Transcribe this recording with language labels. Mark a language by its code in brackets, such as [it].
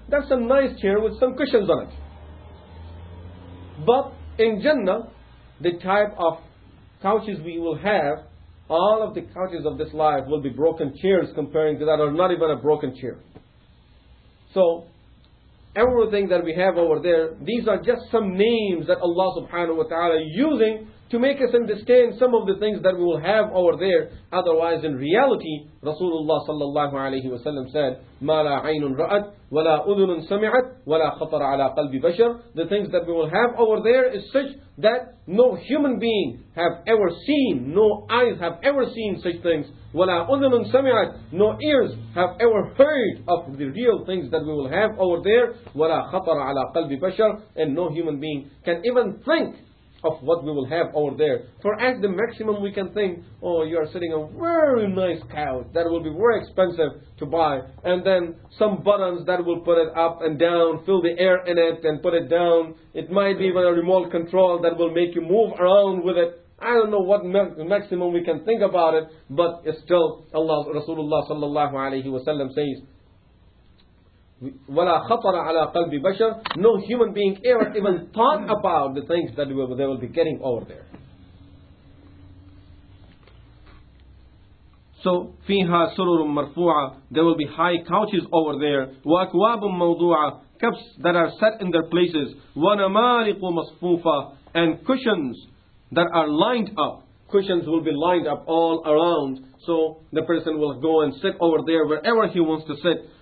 [en] That's a nice chair with some cushions on it. But in Jannah, the type of couches we will have, all of the couches of this life will be broken chairs comparing to that, or not even a broken chair. So everything that we have over there, these are just some names that Allah subhanahu wa ta'ala is using to make us understand some of the things that we will have over there. Otherwise, in reality, Rasulullah sallallahu alayhi wa sallam said, [ar] مَا لَا عَيْنٌ رَأَتْ وَلَا أُذُنٌ سَمِعَتْ وَلَا خَطَرَ عَلَىٰ قَلْبِ بَشَرٍ. [en] The things that we will have over there is such that no human being have ever seen, no eyes have ever seen such things. [ar] وَلَا أُذُنٌ سَمِعَتْ. [en] No ears have ever heard of the real things that we will have over there. [ar] وَلَا خَطَرَ عَلَىٰ قَلْبِ بَشَرٍ. [en] And no human being can even think of what we will have over there. For at the maximum we can think, oh, you are sitting on a very nice couch that will be very expensive to buy, and then some buttons that will put it up and down, fill the air in it and put it down. It might be even a remote control that will make you move around with it. I don't know what maximum we can think about it, but it's still Allah, Rasulullah sallallahu alayhi wa sallam says, [ar] وَلَا خَطَرَ عَلَىٰ قَلْبِ بَشَرٍ. [en] No human being ever even thought about the things that they will be getting over there. So, [ar] فِيهَا سُرُرٌ مَرْفُوعَ. [en] There will be high couches over there. [ar] وَأَكْوَابٌ مَوْضُوعَ. [en] Cups that are set in their places. [ar] وَنَمَارِقُ مَصْفُوفَ. [en] And cushions that are lined up. Cushions will be lined up all around. So, the person will go and sit over there wherever he wants to sit.